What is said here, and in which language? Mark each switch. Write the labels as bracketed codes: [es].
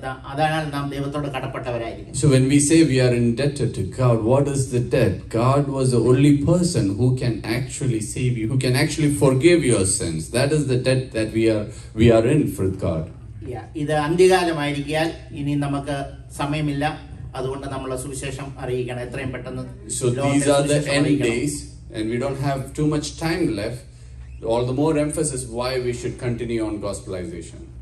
[ml] അതിനാൽ നാം ദൈവത്തോട് കടപ്പെട്ടവരായിരിക്കും. [en] So when we say we are indebted to God, what is the debt? God was the only person who can actually save you, who can actually forgive your sins. That is the debt that we are in for God. [ml] Yeah, ഇത് അന്ത്യകാലമായിരിക്കാൽ ഇനി നമുക്ക് സമയമില്ല. അതുകൊണ്ട് നമ്മൾ സുവിശേഷം അറിയിക്കണം എത്രയും പെട്ടെന്ന്. [en] So these are the end days and we don't have too much time left. All the more emphasis why we should continue on gospelization.